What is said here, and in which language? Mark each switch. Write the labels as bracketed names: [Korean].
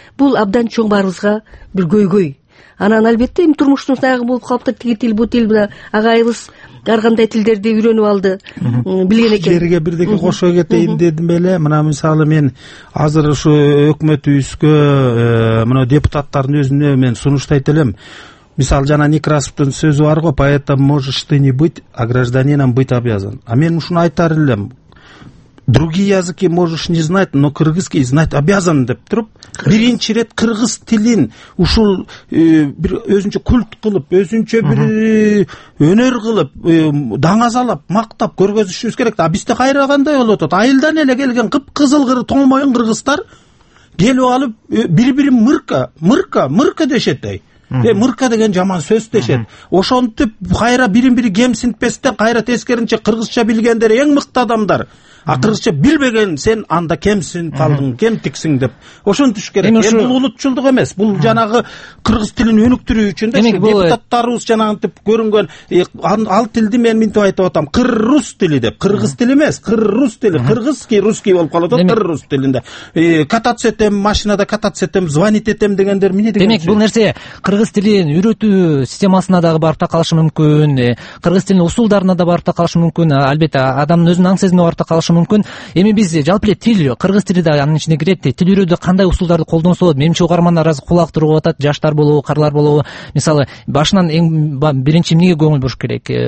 [Kyrgyz] Бул абдан чоң баарыбызга бир көйгөй. Анан албетте эми турмуштун саягы болуп калыптыр, тиги тил, бул тил, мына агайыбыз ар кандай тилдерди үйрөнүп алды, билген экен. Жерге бирдеке кошо кетейин дедим беле, мына мисалы мен азыр ушу өкмөтүбүзгө мына депутаттардын өзүнө мен сунуштайт элем. Мисалы жана Некрасовдун сөзү бар го, [Russian] поэтом можешь ты не быть, а гражданином быть обязан. [Kyrgyz] А мен ушуну айтар элем, [Russian] другие языки можешь не знать, но кыргызский знать обязан [Kyrgyz] деп туруп, биринчи ирет кыргыз тилин ушул бир өзүнчө культ кылып, өзүнчө бир өнөр кылып, даңазалап, мактап көргөзүшүбүз керек да. А бизде кайра кандай болуп атат? Айылдан эле келген кыпкызыл тоң моюн кыргыздар келип алып бири бирин мырка, мырка, мырка дешет эй. Мырка деген жаман сөз дешет. Ошентип кайра бирин бири кемсинтпестен кайра тескерисинче кыргызча билгендер эң мыкты адамдар. А кыргызча билбеген сен анда кемсин калдың, кемтиксиң деп ошентүш керек. Эми бул улутчулдук эмес, бул жанагы кыргыз тилин өнүктүрүү үчүн да депутаттарыбыз жанагынтип көрүнгөн ал тилди мен минтип айтып атам, кыргыз тили деп. Кыргыз тили эмес, кыргыз тили, [Russian] кыргызский, русский [Kyrgyz] болуп калат кыргыз тилинде. Кататься этем, машинада кататься этем, звонить этем дегендер эмне деген? Демек бул нерсе кыргыз тилин үйрөтүү системасына дагы барып такалышы мүмкүн, кыргыз тилинин усулдарына да барып такалышы мүмкүн, албетте адамдын өзүнүн аң сезимине барып такалышы мүмкүн. Эми биз жалпы эле тил, кыргыз тили да анын ичине кирет, тил үйрөтүүдө кандай усулдарды колдонсо болот? Менимче угармандар азыр кулак туруп атат, жаштар болобу, карылар болобу. Мисалы башынан эң биринчи эмнеге көңүл буруш керек?